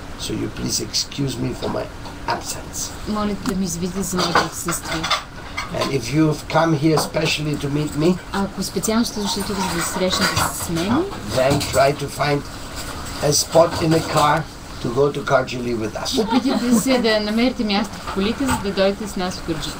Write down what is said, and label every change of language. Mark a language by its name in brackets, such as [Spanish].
[English] So you please excuse me for my absence. [Bulgarian] Молите да ми извините за моето отсъствие. [English] And if you've come here specially to meet me, [Bulgarian] ако специално сте дошли тук да срещнете с мен, [English] then try to find a spot in a car to go to Kargili with us. [Bulgarian] Опитайте се да намерите място в колите, за да дойдете с нас в Кърджали.